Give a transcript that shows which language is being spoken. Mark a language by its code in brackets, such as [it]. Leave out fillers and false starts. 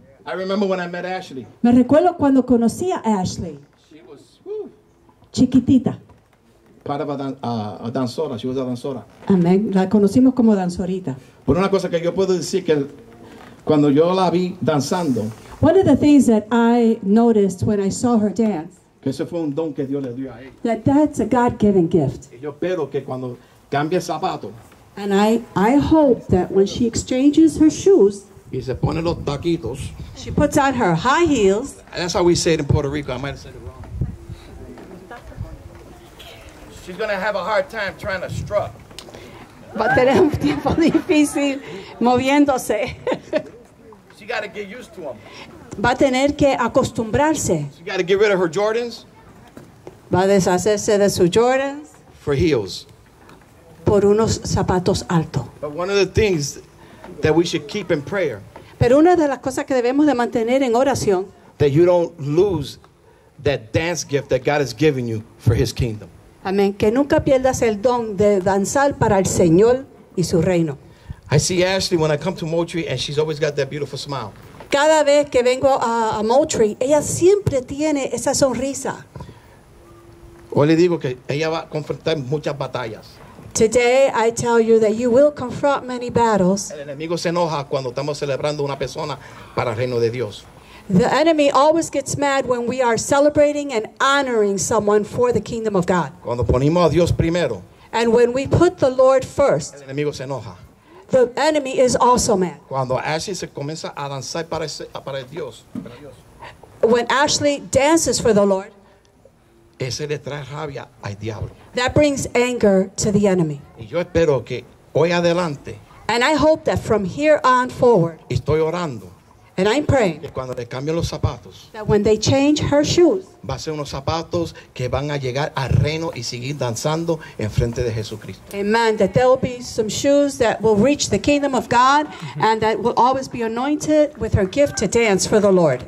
[en] I remember when I met Ashley. [es] Me recuerdo cuando conocí a Ashley. Chiquitita. [en] Part of a danzora. She was a danzora. [es] Amén. La conocimos como danzorita. Por una cosa que yo puedo decir que cuando yo la vi danzando. [en] One of the things that I noticed when I saw her dance. [es] Que ese fue un don que Dios le dio a ella. [en] That's a God-given gift. [es] Y yo espero que cuando cambie el zapato. [en] And I hope that when she exchanges her shoes. [es] Y se pone los taquitos. [en] She puts on her high heels. That's how we say it in Puerto Rico. I might have said it wrong. She's going to have a hard time trying to strut. [es] Va a tener un tiempo difícil moviéndose. [en] She got to get used to them. [es] Va a tener que acostumbrarse. [en] She got to get rid of her Jordans. [es] Va a deshacerse de sus Jordans. [en] For heels. [es] Por unos zapatos altos. [en] But one of the things that we should keep in prayer. [es] Pero una de las cosas que debemos de mantener en oración. [en] That you don't lose that dance gift that God has given you for his kingdom. Amén. [es] Que nunca pierdas el don de danzar para el Señor y su reino. [en] I see Ashley when I come to Moultrie and she's always got that beautiful smile. [es] Cada vez que vengo a Moultrie, ella siempre tiene esa sonrisa. Hoy le digo que ella va a confrontar muchas batallas. [en] Today I tell you that you will confront many battles. [es] El enemigo se enoja cuando estamos celebrando una persona para el reino de Dios. [en] The enemy always gets mad when we are celebrating and honoring someone for the kingdom of God. [es] Cuando ponemos a Dios primero, [en] and when we put the Lord first, [es] el enemigo se enoja. [en] The enemy is also mad. [es] Cuando Ashley se comienza a danzar para Dios, [en] when Ashley dances for the Lord, [es] ese le trae rabia al diablo. [en] That brings anger to the enemy. [es] Y yo espero que hoy adelante, [en] and I hope that from here on forward, [es] estoy orando, [en] and I'm praying, [es] que cuando le cambien los zapatos, [en] that when they change her shoes, [es] va a ser unos zapatos que van a llegar al reino y seguir danzando en frente de Jesucristo. Amen. [en] That there will be some shoes that will reach the kingdom of God, and that will always be anointed with her gift to dance for the Lord.